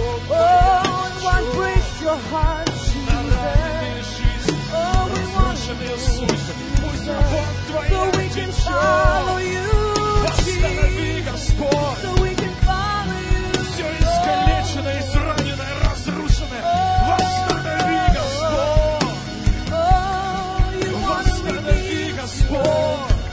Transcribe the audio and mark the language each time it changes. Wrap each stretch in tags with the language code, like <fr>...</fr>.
<en>Oh, and what breaks your heart, Jesus? Oh, we want you, Jesus. So we can follow you, Jesus. So we can follow you.</en> <ru>Все искалеченное, израненное, разрушенное. Восстанови, Господь.</ru> <en>Oh, you want to redeem, Господь.</en>